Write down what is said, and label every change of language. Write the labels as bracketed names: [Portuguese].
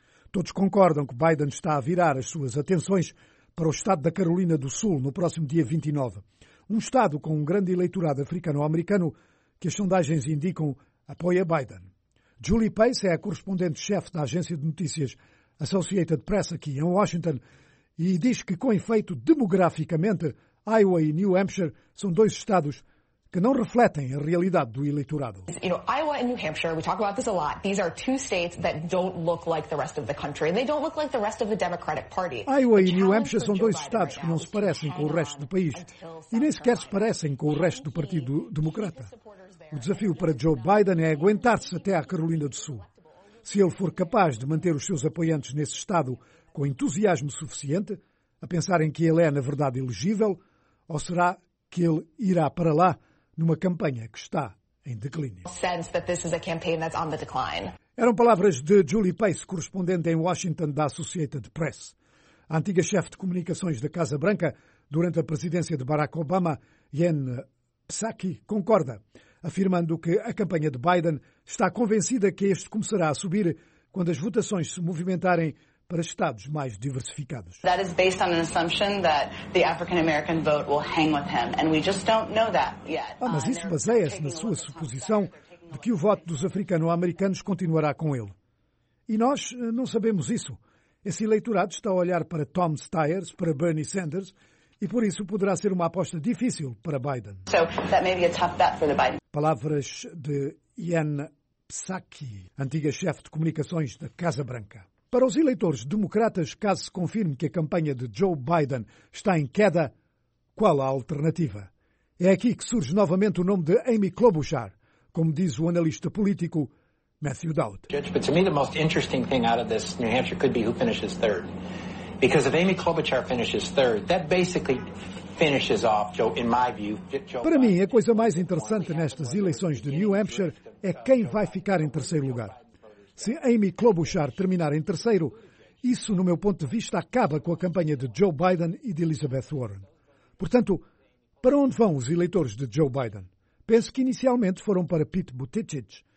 [Portuguese] Todos concordam que Biden está a virar as suas atenções para o estado da Carolina do Sul no próximo dia 29, um estado com um grande eleitorado africano-americano que as sondagens indicam apoia Biden. Julie Pace é a correspondente-chefe da agência de notícias Associated Press aqui em Washington e diz que, com efeito, demograficamente, Iowa e New Hampshire são dois estados que não refletem a realidade do eleitorado. [English] You know, Iowa and New Hampshire, we talk about this a lot. These are two states that don't look like the rest of the country, and they don't look like the rest of the Democratic Party. [Portuguese] Iowa e New Hampshire são dois estados que não se parecem com o resto do país e nem sequer se parecem com o resto do Partido Democrata. O desafio para Joe Biden é aguentar-se até à Carolina do Sul. Se ele for capaz de manter os seus apoiantes nesse estado com entusiasmo suficiente, a pensarem que ele é, na verdade, elegível, ou será que ele irá para lá numa campanha que está em declínio? Eram palavras de Julie Pace, correspondente em Washington da Associated Press. A antiga chefe de comunicações da Casa Branca, durante a presidência de Barack Obama, Jen Psaki, concorda, afirmando que a campanha de Biden está convencida que este começará a subir quando as votações se movimentarem para estados mais diversificados. [English] That is based on an assumption that the African American vote will hang with him, and we just don't know that yet. [Portuguese] Ah, mas isso baseia-se na sua suposição de que o voto dos africano-americanos continuará com ele. E nós não sabemos isso. Esse eleitorado está a olhar para Tom Steyer, para Bernie Sanders, e por isso poderá ser uma aposta difícil para Biden. [English] So that may be a tough bet for the Biden. [Portuguese] Palavras de Jen Psaki, antiga chefe de comunicações da Casa Branca. Para os eleitores democratas, caso se confirme que a campanha de Joe Biden está em queda, qual a alternativa? É aqui que surge novamente o nome de Amy Klobuchar, como diz o analista político Matthew Dowd. [English] Judge, but to me the most interesting thing out of this New Hampshire could be who finishes third. Because if Amy Klobuchar finishes third, that basically finishes off Joe, in my view. [Portuguese] Para mim, a coisa mais interessante nestas eleições de New Hampshire é quem vai ficar em terceiro lugar. Se Amy Klobuchar terminar em terceiro, isso, no meu ponto de vista, acaba com a campanha de Joe Biden e de Elizabeth Warren. Portanto, para onde vão os eleitores de Joe Biden? Penso que inicialmente foram para Pete Buttigieg.